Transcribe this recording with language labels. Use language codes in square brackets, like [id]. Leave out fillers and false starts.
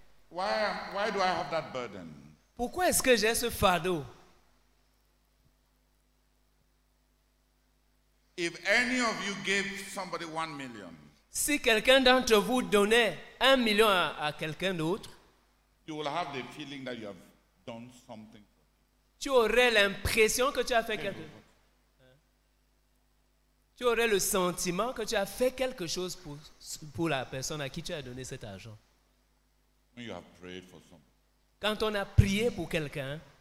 [en] why do I have that burden? [fr] Pourquoi est-ce que j'ai ce fardeau? [en] If any of you gave somebody 1 million, [fr] si quelqu'un d'entre vous donnait 1 million à quelqu'un d'autre, [en] you will have the feeling that you have done something. [fr] Tu aurais l'impression que tu as fait quelque chose. Tu aurais le sentiment que tu as fait quelque chose pour la personne à qui tu as donné cet argent. [en] When you have prayed for somebody. [fr] Quand on a prié pour quelqu'un,